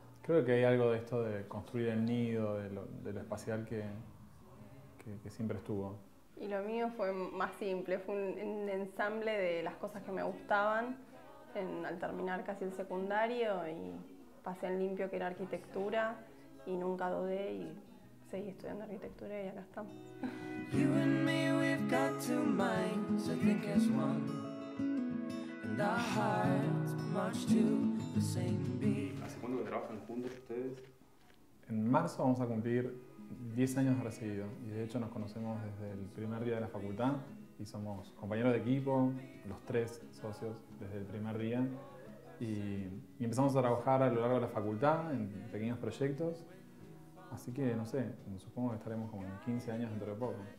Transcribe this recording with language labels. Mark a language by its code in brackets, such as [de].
[es] Creo que hay algo de esto de construir el nido, de lo espacial que siempre estuvo. Y lo mío fue más simple, fue un ensamble de las cosas que me gustaban al terminar casi el secundario y pasé en limpio que era arquitectura y nunca dudé y seguí estudiando arquitectura y acá estamos. [en] You and me, we've got two minds, I think as one. And our hearts march to the same beat. [es] ¿Hace cuánto que trabajan juntos ustedes? En marzo vamos a cumplir 10 años de recibido y de hecho nos conocemos desde el primer día de la facultad y somos compañeros de equipo, los tres socios desde el primer día y empezamos a trabajar a lo largo de la facultad en pequeños proyectos, así que no sé, supongo que estaremos como en 15 años dentro de poco.